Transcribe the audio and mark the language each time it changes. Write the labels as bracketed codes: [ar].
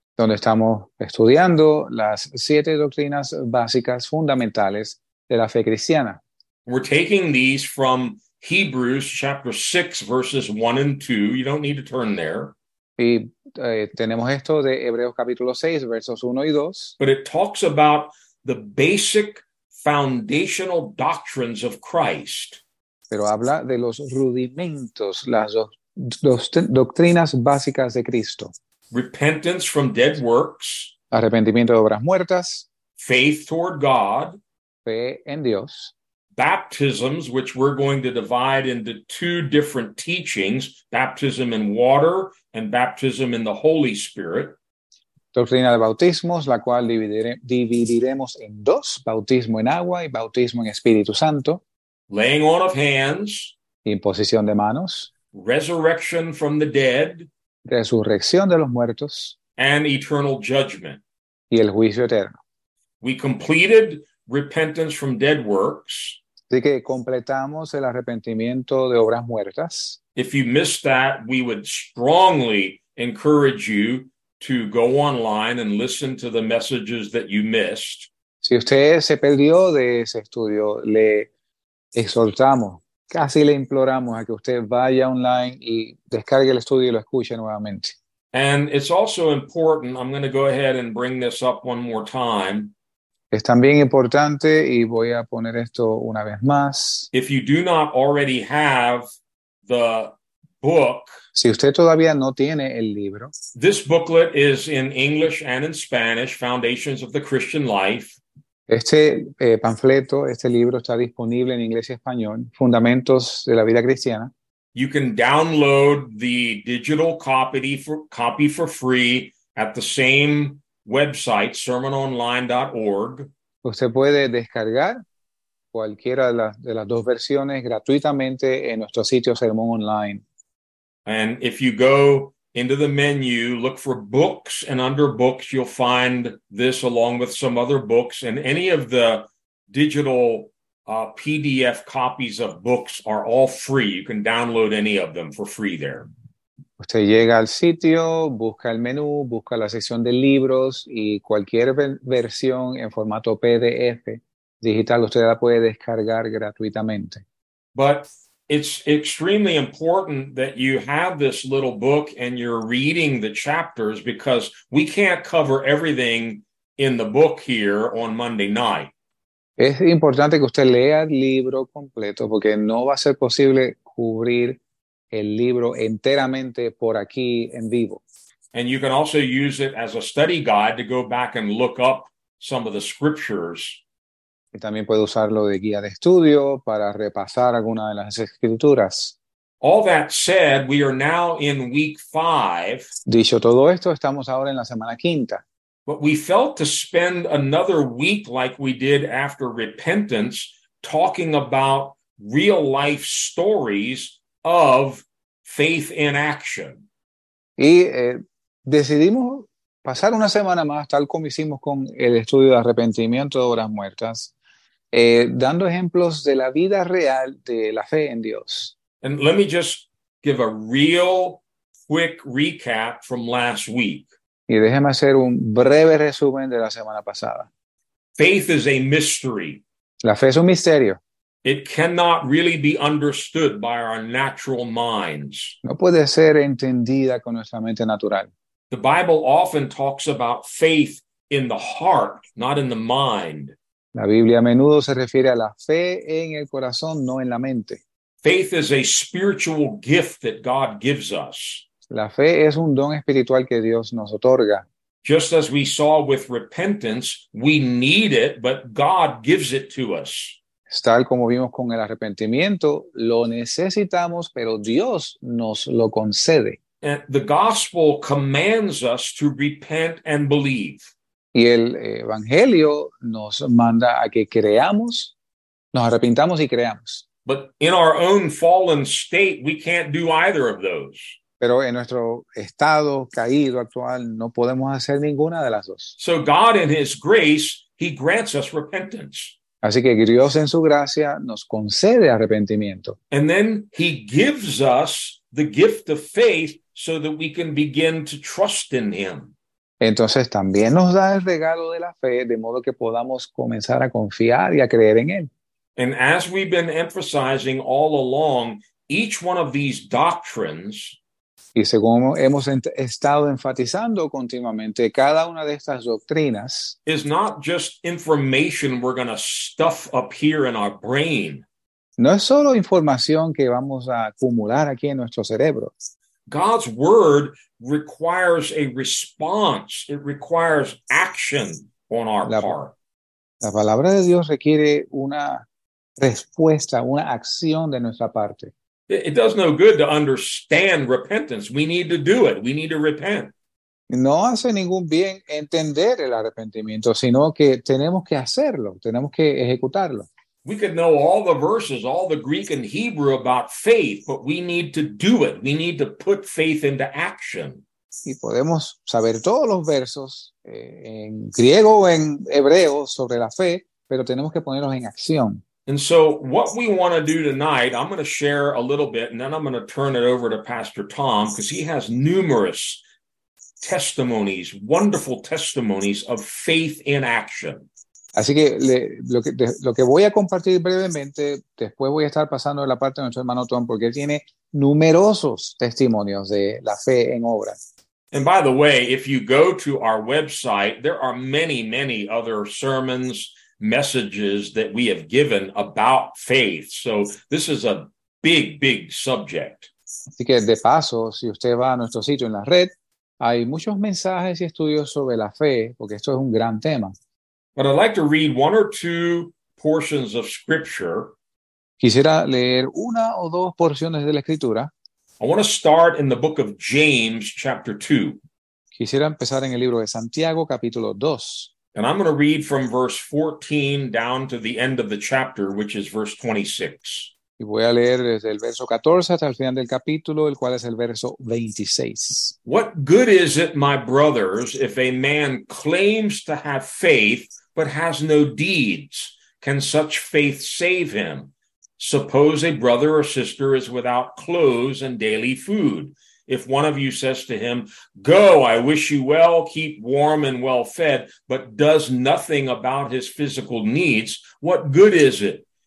[es] Donde estamos estudiando las 7 doctrinas básicas fundamentales de la fe cristiana. [en] We're taking these from Hebrews chapter 6 verses 1 and 2. You don't need to turn there. [es] Y tenemos esto de Hebreos capítulo 6 versos 1 y 2. [en] But it talks about the basic foundational doctrines of Christ. [es] Pero habla de los rudimentos, las doctrinas básicas de Cristo. [en] Repentance from dead works. [es] Arrepentimiento de obras muertas. [en] Faith toward God. [es] Fe en Dios. [en] Baptisms, which we're going to divide into 2 different teachings, baptism in water and baptism in the Holy Spirit. [es] Doctrina de bautismos, la cual dividiremos en 2, bautismo en agua y bautismo en Espíritu Santo. [en] Laying on of hands. [es] Imposición de manos. [en] Resurrection from the dead. [es] Resurrección de los muertos. [en] And eternal judgment. [es] Y el juicio eterno. [en] We completed repentance from dead works. [es] Así que completamos el arrepentimiento de obras muertas. [en] If you missed that, we would strongly encourage you to go online and listen to the messages that you missed. [es] Si usted se perdió de ese estudio, le exhortamos, casi le imploramos a que usted vaya online y descargue el estudio y lo escuche nuevamente. [en] And it's also important, I'm going to go ahead and bring this up one more time. [es] Es también importante, y voy a poner esto una vez más. [en] If you do not already have the book, [es] si usted todavía no tiene el libro, [en] this booklet is in English and in Spanish, Foundations of the Christian Life. [es] Este panfleto, este libro está disponible en inglés y español, Fundamentos de la Vida Cristiana. [en] You can download the digital copy for free at the same website, sermononline.org. [es] Usted puede descargar cualquiera de las 2 versiones gratuitamente en nuestro sitio Sermón Online. [en] And if you go into the menu, look for books, and under books, you'll find this along with some other books, and any of the digital PDF copies of books are all free. You can download any of them for free there. [es] Usted llega al sitio, busca el menú, busca la sección de libros y cualquier versión en formato PDF digital usted la puede descargar gratuitamente. [en] But it's extremely important that you have this little book and you're reading the chapters because we can't cover everything in the book here on Monday night. [es] Es importante que usted lea el libro completo porque no va a ser posible cubrir el libro enteramente por aquí en vivo. [en] And you can also use it as a study guide to go back and look up some of the scriptures. [es] Y también puede usarlo de guía de estudio para repasar alguna de las escrituras. [en] All that said, we are now in week 5. [es] Dicho todo esto, estamos ahora en la semana quinta. [en] But we felt to spend another week like we did after repentance talking about real life stories of faith in action. [es] Y decidimos pasar una semana más, tal como hicimos con el estudio de arrepentimiento de obras muertas, dando ejemplos de la vida real de la fe en Dios. [en] And let me just give a real quick recap from last week. [es] Y déjeme hacer un breve resumen de la semana pasada. [en] Faith is a mystery. [es] La fe es un misterio. [en] It cannot really be understood by our natural minds. [es] No puede ser entendida con nuestra mente natural. [en] The Bible often talks about faith in the heart, not in the mind. [es] La Biblia a menudo se refiere a la fe en el corazón, no en la mente. [en] Faith is a spiritual gift that God gives us. [es] La fe es un don espiritual que Dios nos otorga. [en] Just as we saw with repentance, we need it, but God gives it to us. [es] Tal como vimos con el arrepentimiento, lo necesitamos, pero Dios nos lo concede. [en] And the gospel commands us to repent and believe. [es] Y el evangelio nos manda a que creamos, nos arrepintamos y creamos. [en] But in our own fallen state, we can't do either of those. [es] Pero en nuestro estado caído actual, no podemos hacer ninguna de las dos. [en] So God in his grace, he grants us repentance. [es] Así que Dios en su gracia nos concede arrepentimiento. [en] And then he gives us the gift of faith so that we can begin to trust in him. [es] Entonces también nos da el regalo de la fe de modo que podamos comenzar a confiar y a creer en él. [en] And as we've been emphasizing all along, each one of these doctrines, [es] y según hemos estado enfatizando continuamente, cada una de estas doctrinas [en] is not just information we're going to stuff up here in our brain. [es] No es solo información que vamos a acumular aquí en nuestro cerebro. [en] God's word requires a response. It requires action on our part. [es] La palabra de Dios requiere una respuesta, una acción de nuestra parte. [en] It does no good to understand repentance. We need to do it. We need to repent. [es] No hace ningún bien entender el arrepentimiento, sino que tenemos que hacerlo. Tenemos que ejecutarlo. [en] We could know all the verses, all the Greek and Hebrew about faith, but we need to do it. We need to put faith into action. [es] Y podemos saber todos los versos en griego o en hebreo sobre la fe, pero tenemos que ponerlos en acción. [en] And so what we want to do tonight, I'm going to share a little bit and then I'm going to turn it over to Pastor Tom because he has numerous testimonies, wonderful testimonies of faith in action. [es] Así que lo que voy a compartir brevemente, después voy a estar pasando la parte de nuestro hermano Tom porque él tiene numerosos testimonios de la fe en obra. [en] And by the way, if you go to our website, there are many, many other sermons, messages that we have given about faith. So this is a big, big subject. [es] Así que de paso, si usted va a nuestro sitio en la red, hay muchos mensajes y estudios sobre la fe, porque esto es un gran tema. [en] But I'd like to read one or two portions of scripture. [es] Quisiera leer una o dos porciones de la escritura. [en] I want to start in the book of James, chapter 2. [es] Quisiera empezar en el libro de Santiago, capítulo 2. [en] And I'm going to read from verse 14 down to the end of the chapter, which is verse 26. [es] Y voy a leer desde el verso 14 hasta el final del capítulo, el cual es el verso 26. [en] What good is it, my brothers, if a man claims to have faith but has no deeds? Can such faith save him? Suppose a brother or sister is without clothes and daily food. If one of you says to him, go, I wish you well, keep warm and well fed, but does nothing about his physical needs, what good is it?